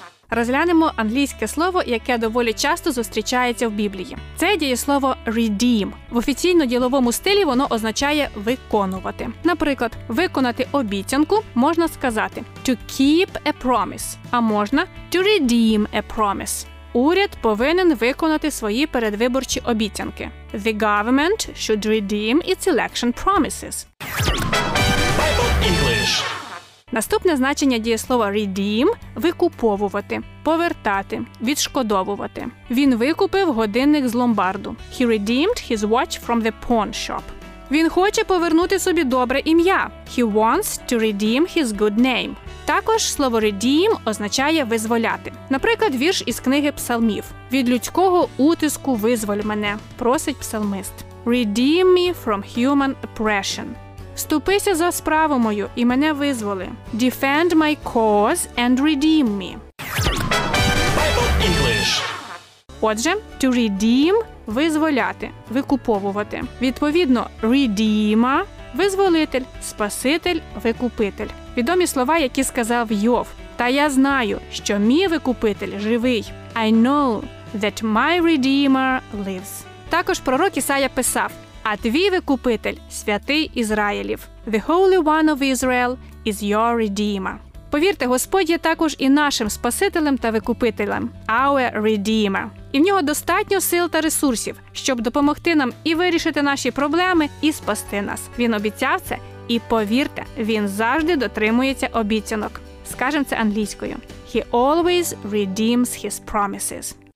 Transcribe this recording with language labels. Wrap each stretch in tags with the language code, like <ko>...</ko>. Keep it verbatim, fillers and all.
<uk>Розглянемо англійське слово, яке доволі часто зустрічається в Біблії. Це дієслово «redeem». В офіційно-діловому стилі воно означає «виконувати». Наприклад, виконати обіцянку можна сказати</uk> <en>«to keep a promise»,</en> <uk>а можна</uk> <en>«to redeem a promise».</en> <uk>Уряд повинен виконати свої передвиборчі обіцянки.</uk> <en>The government should redeem its election promises. Bible English.</en> <uk>Наступне значення дієслова «redeem» – «викуповувати», «повертати», «відшкодовувати». Він викупив годинник з ломбарду.</uk> <en>He redeemed his watch from the pawn shop.</en> <uk>Він хоче повернути собі добре ім'я.</uk> <en>He wants to redeem his good name.</en> <uk>Також слово «redeem» означає «визволяти». Наприклад, вірш із книги псалмів. «Від людського утиску визволь мене», просить псалмист.</uk> <en>«Redeem me from human oppression».</en> <uk>Вступися за справу мою і мене визволи.</uk> <en>Defend my cause and redeem me. Bible English.</en> <uk>Отже, to redeem – визволяти, викуповувати. Відповідно, redeemer – визволитель, спаситель, викупитель. Відомі слова, які сказав Йов. Та я знаю, що мій викупитель живий.</uk> <en>I know that my redeemer lives.</en> <uk>Також пророк Ісая писав. А твій викупитель – святий Ізраїлів.</uk> <en>The Holy One of Israel is your Redeemer.</en> <uk>Повірте, Господь є також і нашим спасителем та викупителем –</uk> <en>our Redeemer.</en> <uk>І в нього достатньо сил та ресурсів, щоб допомогти нам і вирішити наші проблеми, і спасти нас. Він обіцяв це, і повірте, він завжди дотримується обіцянок. Скажемо це англійською.</uk> <en>He always redeems his promises.</en>